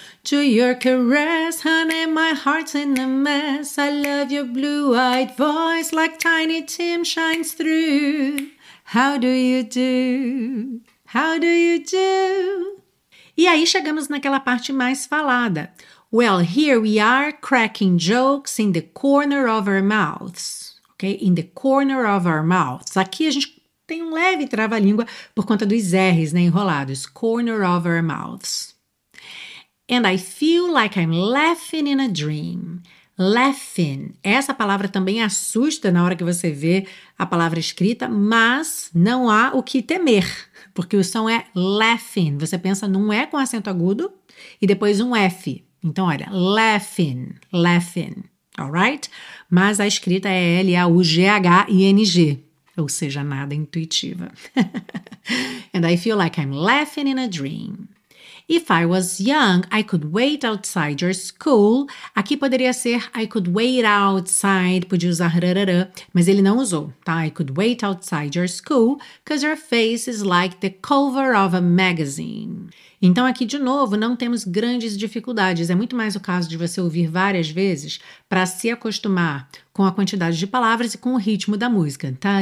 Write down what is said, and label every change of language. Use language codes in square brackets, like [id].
[en] To your caress, honey, my heart's in a mess. I love your blue-eyed voice like Tiny Tim shines through. How do you do? How do you do? [pt] E aí chegamos naquela parte mais falada. [en] Well, here we are cracking jokes in the corner of our mouths. Okay? In the corner of our mouths. [pt] Aqui a gente Tem um leve trava-língua por conta dos R's, né, enrolados. [en] Corner of our mouths. And I feel like I'm laughing in a dream. Laughing. [pt] Essa palavra também assusta na hora que você vê a palavra escrita, mas não há o que temer, porque o som é [en] laughing. [pt] Você pensa num E com acento agudo e depois um F. Então, olha, [en] laughing, laughing. All right? [pt] Mas a escrita é Laughing. Ou seja, nada intuitiva. [en] And I feel like I'm laughing in a dream. If I was young, I could wait outside your school. [pt] Aqui poderia ser [en] I could wait outside, [pt] podia usar rararã, mas ele não usou, tá? [en] I could wait outside your school, because your face is like the cover of a magazine. [pt] Então, aqui de novo, não temos grandes dificuldades. É muito mais o caso de você ouvir várias vezes para se acostumar com a quantidade de palavras e com o ritmo da música.